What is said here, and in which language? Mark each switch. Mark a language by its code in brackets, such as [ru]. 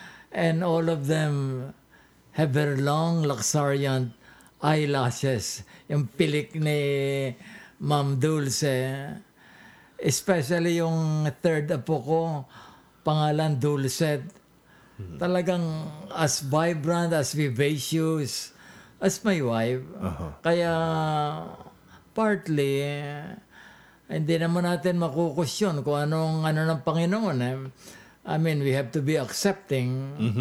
[en] And all of them have very long, luxuriant eyelashes. [tl] Yung pilik ni Ma'am Dulce. [en] Especially [tl] yung third apo ko, pangalan Dulce. Talagang [en] as vibrant, as vivacious, as my wife. [tl] Kaya, partly, hindi naman natin makukusyon kung anong ano ng Panginoon. [en] I mean, we have to be accepting.